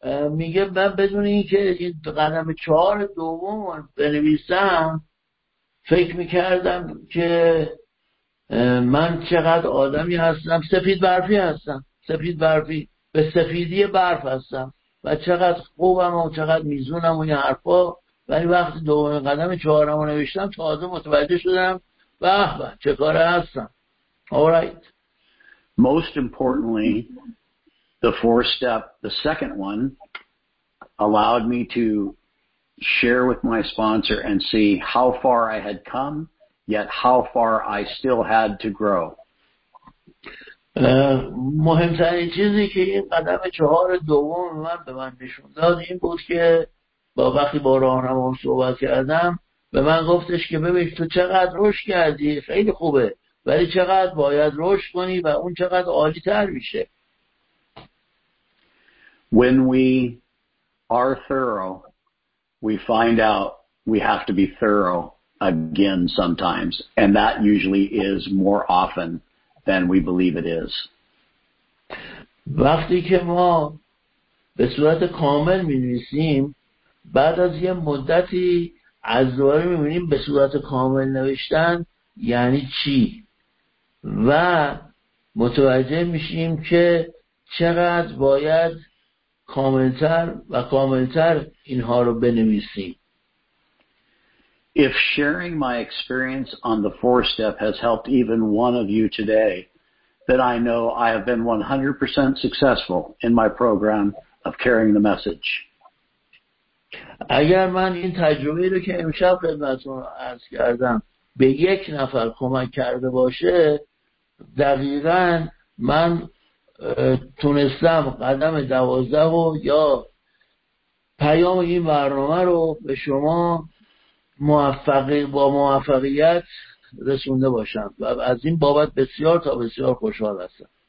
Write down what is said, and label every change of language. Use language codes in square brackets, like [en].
[fa] میگه من بدون اینکه این قدم چهار دوم بنویسم فکر میکردم که من چقدر آدمی هستم، سفید برفی هستم به سفیدی برف هستم و چقدر خوبم و چقدر میزونم و این حرفا، ولی وقتی دوم قدم چهارم رو نوشتم تازه متوجه شدم به به چه کاره هستم. [en] Alright. Most importantly, the fourth step, the second one, allowed me to share with my sponsor and see how far I had come, yet how far I still had to grow. [fa] مهمترین چیزی که این قدم چهار دوم من به من نشون داد این بود که با وقتی با راهنمام صحبت کردم به من گفتش که ببین تو چقدر رشد کردی، خیلی خوبه، ولی چقدر باید رشد کنی و اون چقدر عالی تر میشه. [en] When we are thorough, we find out we have to be thorough again sometimes, and that usually is more often than we believe it is. [fa] وقتی که ما به صورت کامل می‌نویسیم، بعد از یه مدتی از دوباره می‌بینیم به صورت کامل نوشتن یعنی چی، و متوجه می‌شیم که چقدر باید کاملتر و کاملتر اینها رو بنویسیم. [en] If sharing my experience on the fourth step has helped even one of you today, that I know I have been 100% successful in my program of carrying the message. [fa] اگر من این تجربه رو که امشب خدمتتون عرض کردم به یک نفر کمک کرده باشه، دقیقاً من تونستم قدم 12 رو یا پیام این برنامه رو به شما با موفقیت رسونده باشم و از این بابت بسیار تا بسیار خوشحال هستم.